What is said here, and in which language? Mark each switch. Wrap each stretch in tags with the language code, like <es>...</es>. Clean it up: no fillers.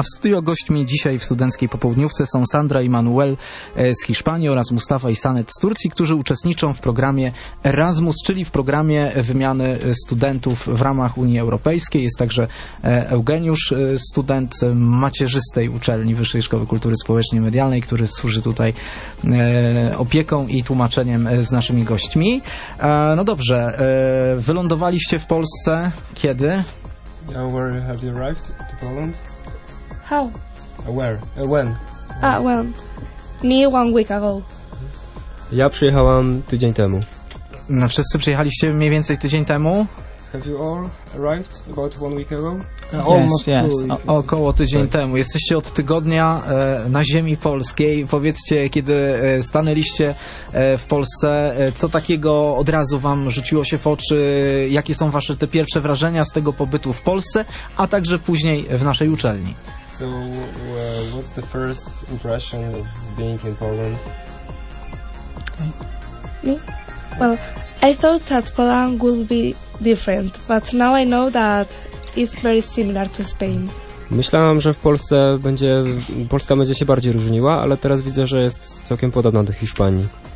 <pl>A w studio gośćmi dzisiaj w studenckiej popołudniówce są Sandra i Manuel z Hiszpanii oraz Mustafa i Sanet z Turcji, którzy uczestniczą w programie Erasmus, czyli w programie wymiany studentów w ramach Unii Europejskiej. Jest także Eugeniusz, student macierzystej uczelni Wyższej Szkoły Kultury Społecznej i Medialnej, który służy tutaj opieką i tłumaczeniem z naszymi gośćmi. No dobrze, wylądowaliście w Polsce kiedy?</pl> <en>Yeah, where have you arrived to Poland? How? Where? When? Well, me 1 week ago.</en> <pl>Ja przyjechałam tydzień temu. No wszyscy przyjechaliście mniej więcej tydzień temu.</pl> <en>Have you all arrived about 1 week ago? Yes.</en> <pl>Około tydzień temu. Jesteście od tygodnia na ziemi polskiej. Powiedzcie, kiedy stanęliście w Polsce, co takiego od razu wam rzuciło się w oczy? Jakie są wasze te pierwsze wrażenia z tego pobytu w Polsce, a także później w naszej uczelni?</pl> <en>So, what's the first impression of being in Poland? Me? Well, I thought that Poland would be different, but now I know that it's very similar to Spain.</en> <pl>Myślałam, że w Polsce będzie, Polska będzie się bardziej różniła, ale teraz widzę, że jest całkiem podobna do Hiszpanii.</pl>